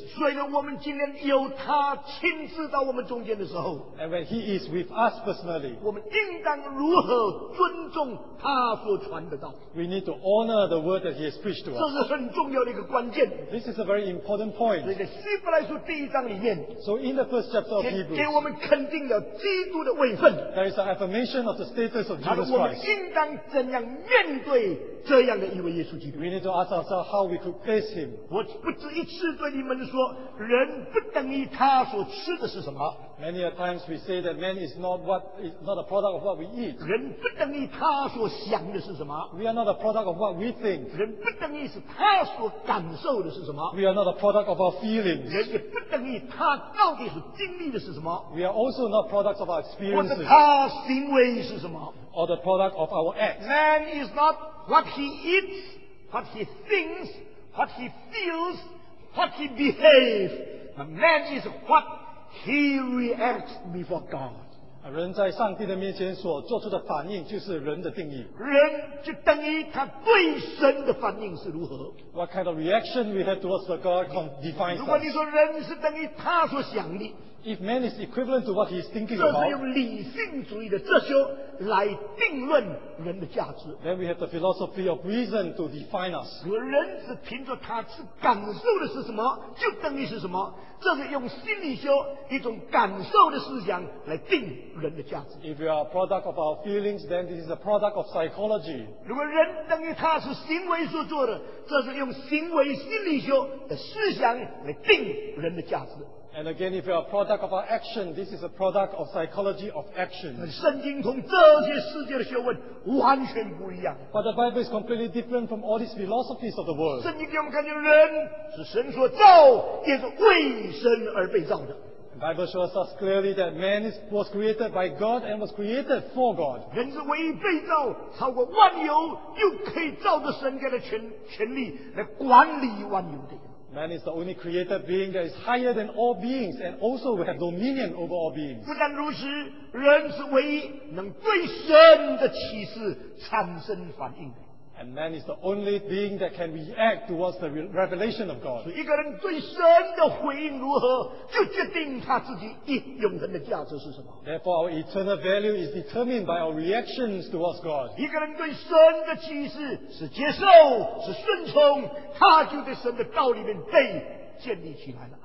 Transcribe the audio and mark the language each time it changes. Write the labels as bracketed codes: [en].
[zh] 所以呢，我们今天有他亲自到我们中间的时候。 [en] And when He is with us personally. [zh] 我们应当如何尊重他所传的道？ [en] We need to honor the word that he has preached to us. [zh] 这是很重要的一个关键。 [en] This is a very important point. [zh] 所以在希伯来书第一章里面， [en] so in the first chapter of Hebrews, [zh] 给我们肯定了基督的位分。 [en] There is an affirmation of the status of Jesus Christ. [zh] 我们应当怎样面对这样的一位耶稣基督？ [en] We need to ask ourselves how we could face him. [zh] 我不止一次对你们说，人不等于他所吃的是什么。 [en] Many a times we say that man is not what is not a product of what we eat. [zh] 人不等于他所想的是什么。 [en] We are not a product of what we think. [zh] 人不等于是他所感受的是什么。 [en] We are not a product of our feelings. [zh] 人也不等于他到底所经历的是什么。 [en] We are also not products of our experiences. [zh] 或者他行为是什么。 [en] Or the product of our acts. Man is not what he eats, what he thinks, what he feels, what he behaves. A man is what he reacts before God. [zh] 人在上帝的面前所做出的反应就是人的定义。人就等于他对神的反应是如何。 [en] What kind of reaction we have towards the God defines us. [zh] 如果你说人是等于他所想的。 [en] If man is equivalent to what he is thinking about, [zh] 这是用理性主义的哲学来定论人的价值。 [en] Then we have the philosophy of reason to define us. [zh] 如果人只凭着他是感受的是什么，就等于是什么，这是用心理学一种感受的思想来定人的价值。 [en] If we are a product of our feelings, then this is a product of psychology. [zh] 如果人等于他是行为所做的，这是用行为心理学的思想来定人的价值。 [en] And again, if you are a product of our action, this is a product of psychology of action. [zh] 圣经同这些世界的学问完全不一样。 [en] But the Bible is completely different from all these philosophies of the world. [zh] 圣经给我们看见人是神所造，也是为神而被造的。 [en] The Bible shows us clearly that man was created by God and was created for God. [zh] 人是唯一被造，超过万有，又可以照着神给的权力来管理万有的。 [en] Man is the only created being that is higher than all beings and also will have dominion over all beings. [zh] 不但如此，人是唯一能对神的启示产生反应的。 [en] And man is the only being that can react towards the revelation of God. [zh] 所以一个人对神的回应如何，就决定他自己一永恒的价值是什么。 [en] Therefore, our eternal value is determined by our reactions towards God. [zh] 一个人对神的启示是接受，是顺从，他就在神的道里面被建立起来了。